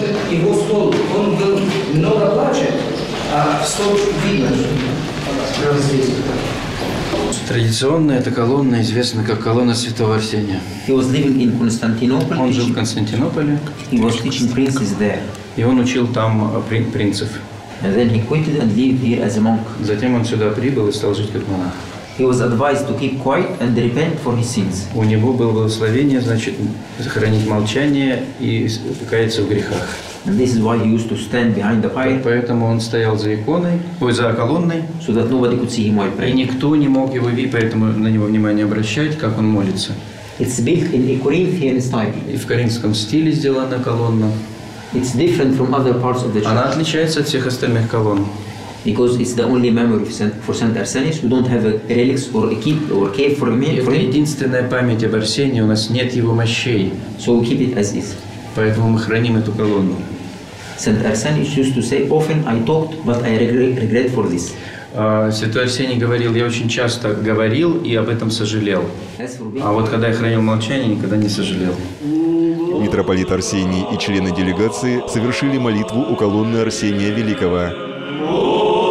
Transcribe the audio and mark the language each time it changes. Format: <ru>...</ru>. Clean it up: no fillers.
<ru>Его стол, он много плачет, а стол видно. Традиционно эта колонна известна как колонна святого Арсения.</ru> <en>He was living in Constantinople.</en> <ru>Он жил в Константинополе.</ru> <en>He was teaching princes there.</en> <ru>И он учил там принцев.</ru> <en>And then he quitted and lived here as a monk.</en> <ru>Затем он сюда прибыл и стал жить как монах.</ru> <en>He was advised to keep quiet and repent for his sins.</en> <ru>У него было благословение, значит, сохранить молчание и каяться в грехах.</ru> <en>And this is why he used to stand behind the pyre.</en> <ru>Поэтому он стоял за иконой, за колонной.</ru> <en>So that nobody could see him while praying.</en> <ru>И никто не мог его видеть, поэтому на него внимание обращать, как он молится.</ru> <en>It's built in a Corinthian style.</en> <ru>И в коринфском стиле сделана колонна.</ru> <en>It's different from other parts of the church.</en> <ru>Она отличается от всех остальных колонн.</ru> <en>Because it's the only memory for Saint Arsenius. We don't have a relics or a keep or cave for him.</en> <ru>Это единственная память об Арсении. У нас нет его мощей.</ru> <en>So we keep it as is.</en> <ru>Поэтому мы храним эту колонну.</ru> <en>Saint Arsenius used to say, often I talked, but I regret for this.</en> <ru>Святой Арсений говорил, я очень часто говорил и об этом сожалел. А вот когда я хранил молчание, никогда не сожалел. митрополит Арсений и члены делегации совершили молитву у колонны Арсения Великого.</ru>